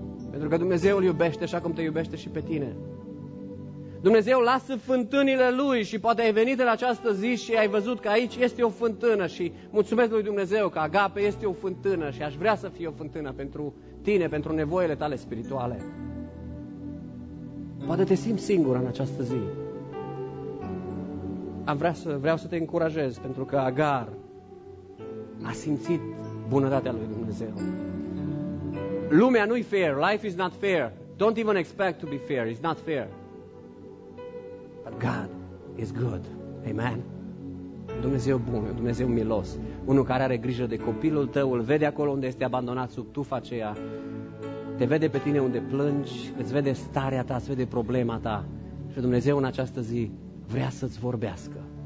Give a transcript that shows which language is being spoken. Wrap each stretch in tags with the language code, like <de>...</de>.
<ro>Pentru că Dumnezeu îl iubește așa cum te iubește și pe tine. Dumnezeu lasă fântânile lui și poate ai venit în această zi și ai văzut că aici este o fântână și mulțumesc lui Dumnezeu că Agape este o fântână și aș vrea să fie o fântână pentru tine, pentru nevoile tale spirituale. Poate te simți singur în această zi. Vreau să te încurajez pentru că Agar a simțit bunătatea lui Dumnezeu. Lumea nu-i fair,</ro> <en>life is not fair. Don't even expect to be fair, it's not fair. God is good. Amen.</en> <ro>Dumnezeu bun, Dumnezeu milos, unul care are grijă de copilul tău, îl vede acolo unde este abandonat sub tufa aceea, te vede pe tine unde plângi, îți vede starea ta, îți vede problema ta și Dumnezeu în această zi vrea să-ți vorbească.</ro>